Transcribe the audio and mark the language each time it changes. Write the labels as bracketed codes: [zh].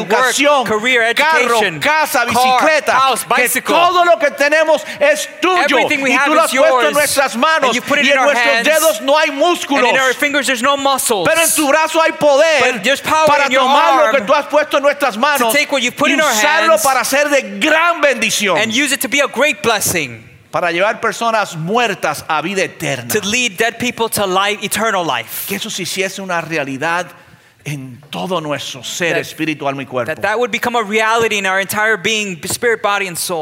[es] educación, [en] work, career, [es] carro, casa, bicicleta, [en] car, house, bicycle. [es] Que todo lo que tenemos es tuyo. [en] Everything we [es] y tú [en] have [es] lo [en] is [es] has puesto [en] yours, [es] en nuestras manos. [en] And you put it [es] y en [en] our [es] nuestros [en] hands, [es] dedos no hay músculos. [en] And in our fingers there's no muscles. [es] Pero en tu brazo hay poder. [en] But there's power [es] para [en] in your arm. [es] Lo que tú has puesto en nuestras manos, [en] to take what you've put in our hands, [es] usarlo para ser de gran bendición, [en] and use it to be a great blessing, [es] para llevar personas muertas a vida eterna, [en] to lead dead people to life, eternal life. [es] Que eso se hiciese una realidad en todo nuestro ser, [en] that, [es] espíritu, alma y cuerpo. [en] That would become a reality in our entire being, spirit, body, and soul.